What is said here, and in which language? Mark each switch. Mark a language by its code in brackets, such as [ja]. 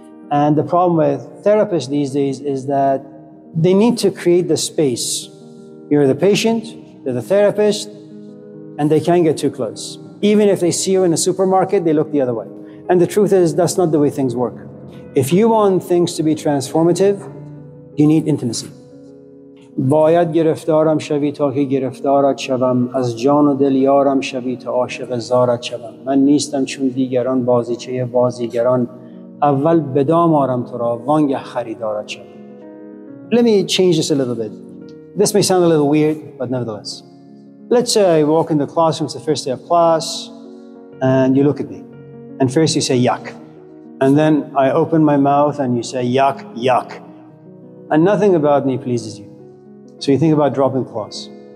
[en] And the problem with therapists these days is that they need to create the space. You're the patient, they're the therapist, and they can't get too close. Even if they see you in a supermarket, they look the other way. And the truth is, that's not the way things work. If you want things to be transformative, you need intimacy. [fa] باید گرفتارم شوی تا که گرفتارت شوم از جان و دل یارم شوی تا عاشق زارت شوم من نیستم چون دیگران بازیچه بازیگران اول بدام آرم تو را وانگه خریدارت شوم. [en] Let me change this a little bit. This may sound a little weird, but nevertheless. Let's say I walk in the classroom, it's the first day of class, and you look at me. And first you say, yuck. And then I open my mouth and you say, yuck, yuck. And nothing about me pleases you. So you think about dropping class.